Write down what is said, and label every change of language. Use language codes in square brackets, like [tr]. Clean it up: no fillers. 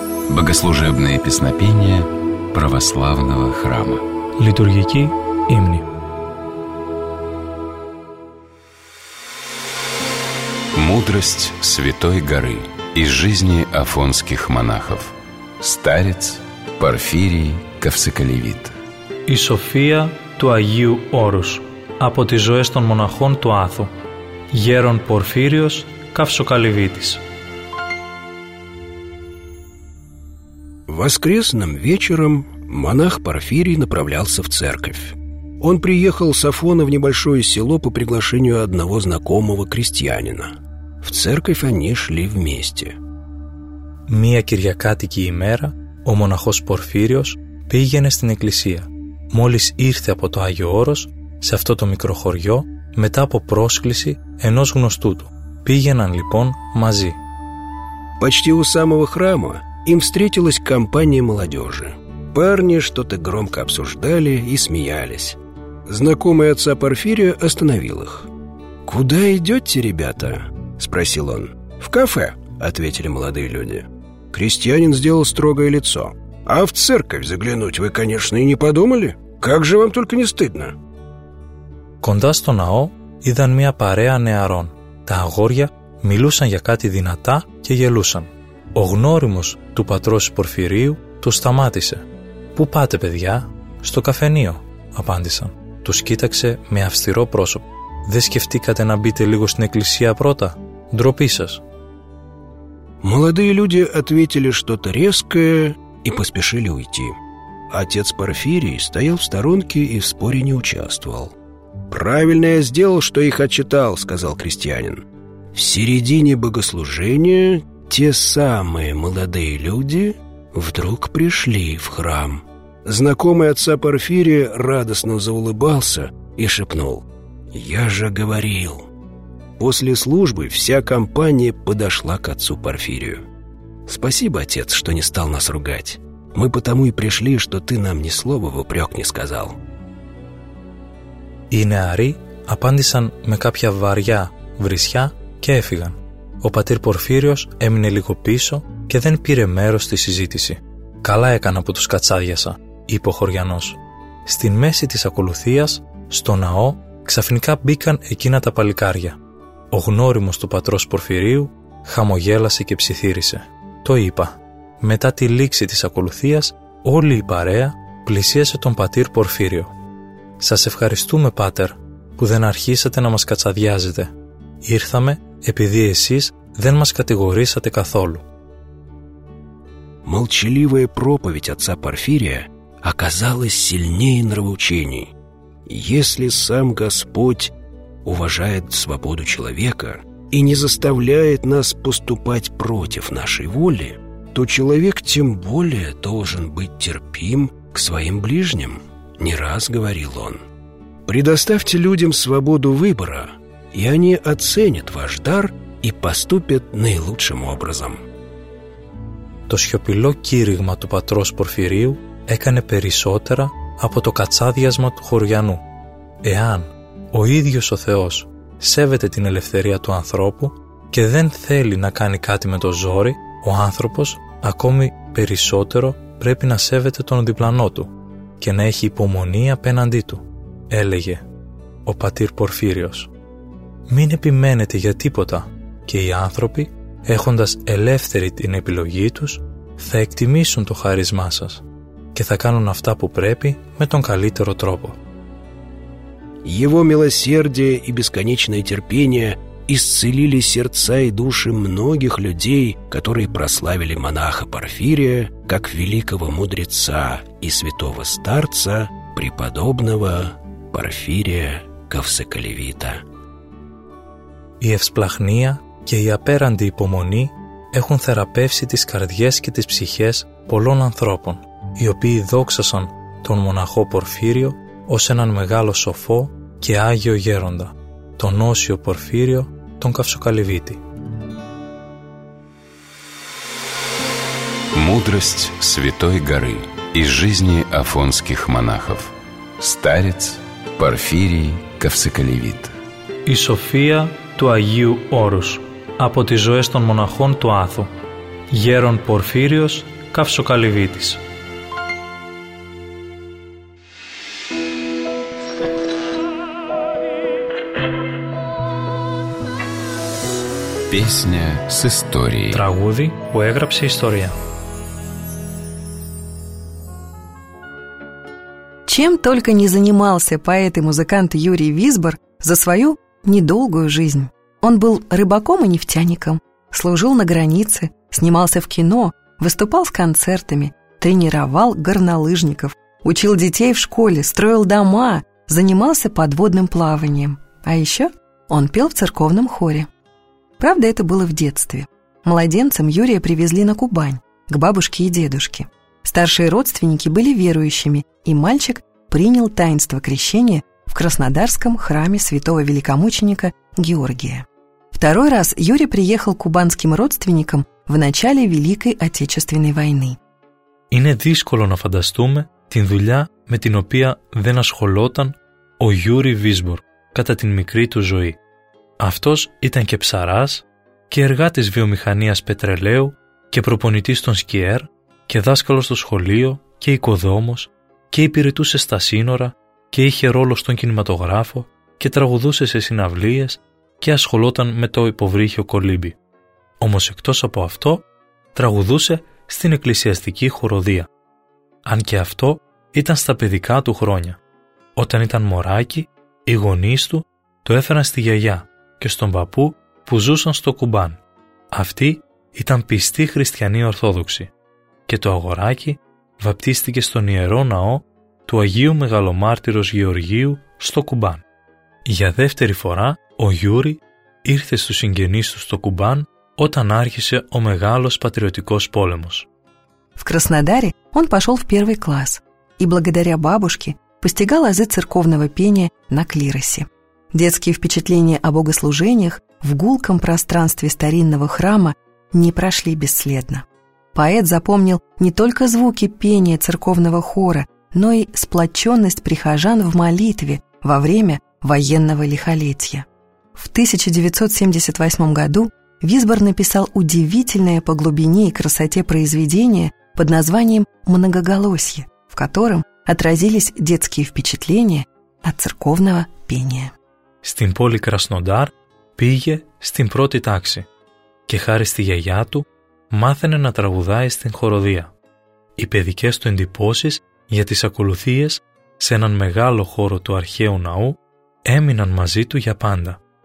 [ru] Богослужебные песнопения православного храма. Литургики имени. Мудрость Святой Горы из жизни афонских монахов. Старец Порфирий Ковсоколевит. [el] Η Σοφία του Αγίου Όρους από τις ζωές των μοναχών του Άθου. Γέρον Πορφύριος Ковσоколевитης. [ru] Воскресным вечером монах Порфирий направлялся в церковь. Он приехал с Афона в небольшое село по приглашению одного знакомого крестьянина. В церковь они шли вместе. [el] Μία Κυριακάτικη ημέρα ο μοναχός Πορφύριος πήγαινε στην εκκλησία. Μόλις ήρθε από το Άγιο Όρος σε αυτό το μικρό χωριό, μετά από πρόσκληση ενός γνωστού του. Πήγαιναν λοιπόν μαζί. [ru] Почти у самого храма им встретилась компания молодежи. Парни что-то громко обсуждали и смеялись. Знакомый отца Порфирия остановил их. «Куда идете, ребята?» – спросил он. «В кафе», – ответили молодые люди. Крестьянин сделал строгое лицо. «А в церковь заглянуть вы, конечно, и не подумали. Как же вам только не стыдно?» [el] Κοντά στο ναό ήταν μια παρέα νεαρών. Τα αγόρια μιλούσαν για κάτι δυνατά και γελούσαν. Ο γνώριμος του πατρός Πορφυρίου τους σταμάτησε. «Πού πάτε, παιδιά?» «Στο καφενείο», απάντησαν. Τους κοίταξε με αυστηρό πρόσωπο. «Δεν σκεφτήκατε να μπείτε λίγο στην εκκλησία πρώτα? Ντροπή σας». [ru] Молодые люди ответили что-то резкое и поспешили уйти. Отец Порфирий стоял в сторонке и в споре не участвовал. «Правильно я сделал, что их отчитал», — сказал крестьянин. «В середине богослужения те самые молодые люди вдруг пришли в храм». Знакомый отца Порфирия радостно заулыбался и шепнул: «Я же говорил». После службы вся компания подошла к отцу Порфирию. «Спасибо, отец, что не стал нас ругать. Мы потому и пришли, что ты нам ни слова в упрек не сказал». [el] Οι νεαροί απάντησαν με κάποια βαριά βρισιά και έφυγαν. Ο πατήρ Πορφύριος έμεινε λίγο πίσω και δεν πήρε μέρος στη συζήτηση. «Καλά έκανα που τους κατσάδιασα», είπε ο χωριανός. Στην μέση της ακολουθίας, στο ναό, ξαφνικά μπήκαν εκείνα τα παλικάρια. Ο γνώριμος του πατρός Πορφυρίου χαμογέλασε και ψιθύρισε. «Το είπα». Μετά τη λήξη της ακολουθίας, όλη η παρέα πλησίασε τον πατήρ Πορφύριο. «Σας ευχαριστούμε, Πάτερ, που δεν αρχίσατε να μας κατσαδιάζετε. Ήρθαμε επειδή εσείς δεν μας κατηγορήσατε καθόλου». [ru] Молчаливая проповедь отца Порфирия оказалась сильнее нравоучений. Если сам Господь уважает свободу человека и не заставляет нас поступать против нашей воли, то человек тем более должен быть терпим к своим ближним. Не раз говорил он: «Предоставьте людям свободу выбора, и они оценят ваш дар и поступят наилучшим образом». [el] Το σιωπηλό κήρυγμα του πατρός Πορφυρίου έκανε περισσότερα από το κατσάδιασμα του χωριανού. Εάν ο ίδιος ο Θεός σέβεται την ελευθερία του ανθρώπου και δεν θέλει να κάνει κάτι με το ζόρι, ο άνθρωπος ακόμη περισσότερο πρέπει να σέβεται τον διπλανό του και να έχει υπομονή απέναντί του, έλεγε ο πατήρ Πορφύριος. Μην επιμένετε για τίποτα και οι άνθρωποι, έχοντας ελεύθερη την επιλογή τους, θα εκτιμήσουν το χάρισμά σας και θα κάνουν αυτά που πρέπει με τον καλύτερο τρόπο. [ru] Его милосердие и бесконечное терпение исцелили сердца и души многих людей, которые прославили монаха Порфирия как великого мудреца и святого старца, преподобного Порфирия Ковсоколевита. [el] Η ευσπλαχνία και η απέραντη υπομονή έχουν θεραπεύσει τις καρδιές και τις ψυχές πολλών ανθρώπων, οι οποίοι δόξασαν τον μοναχό Πορφύριο ως έναν μεγάλο σοφό και άγιο γέροντα, τον Όσιο Πορφύριο τον Ковсоколевите. [ru] Мудрость Святой Горы из жизни афонских монахов. Старец Порфирий Ковсоколевит. [el] Η Σοφία του Αγίου Όρους από τις ζωές των μοναχών του Άθου. Γέρον Πορφύριος Καυσοκαλυβίτης. [ru] Песня с историей. [el] Трагуди, που έγραψε история. [ru] Чем только не занимался поэт и музыкант Юрий Висбор за свою недолгую жизнь. Он был рыбаком и нефтяником, служил на границе, снимался в кино, выступал с концертами, тренировал горнолыжников, учил детей в школе, строил дома, занимался подводным плаванием. А еще он пел в церковном хоре. Правда, это было в детстве. Младенцем Юрия привезли на Кубань, к бабушке и дедушке. Старшие родственники были верующими, и мальчик принял таинство крещения в Краснодарском храме святого великомученика Георгия. Второй раз Юрий приехал к кубанским родственникам в начале Великой Отечественной войны. [el] Είναι δύσκολο να φανταστούμε την δουλειά με την οποία δεν ασχολόταν ο Γιούρι Βίσμπορ κατά την μικρή του ζωή. Αυτός ήταν και ψαράς και εργάτης βιομηχανίας πετρελαίου και προπονητής των σκιέρ και δάσκαλος στο σχολείο και οικοδόμος και υπηρετούσε στα σύνορα και είχε ρόλο στον κινηματογράφο και τραγουδούσε σε συναυλίες και ασχολόταν με το υποβρύχιο κολύμπι. Όμως εκτός από αυτό, τραγουδούσε στην εκκλησιαστική χοροδία, αν και αυτό ήταν στα παιδικά του χρόνια. Όταν ήταν μωράκι, οι γονείς του το έφεραν στη γιαγιά και στον παππού που ζούσαν στο Κουμπάν. Αυτοί ήταν πιστοί χριστιανοί ορθόδοξοι και το αγοράκι βαπτίστηκε στον ιερό ναό του Αγίου Μεγαλομάρτυρος Γεωργίου στο Κουμπάν. Για δεύτερη φορά, ο Γιούρι ήρθε στους συγγενείς του στο Κουμπάν όταν άρχισε ο μεγάλος πατριωτικός πόλεμος. [ru] В Краснодаре он пошел в первый класс и благодаря бабушке постигал азы церковного пения на клиросе. Детские впечатления о богослужениях в гулком пространстве старинного храма не прошли бесследно. Поэт запомнил не только звуки пения церковного хора, но и сплоченность прихожан в молитве во время военного лихолетия. В 1978 году Висбор написал удивительное по глубине и красоте произведение под названием «Многоголосье», в котором отразились детские впечатления от церковного пения. [el] Στην πόλη Краснодар πήγε στην πρώτη τάξη και χάρη στη γιαγιά του μάθαινε να τραγουδάει στην χοροδία. Οι παιδικές του εντυπώσεις για τις ακολουθίες σε έναν μεγάλο χώρο του αρχαίου ναού έμειναν μαζί του για πάντα.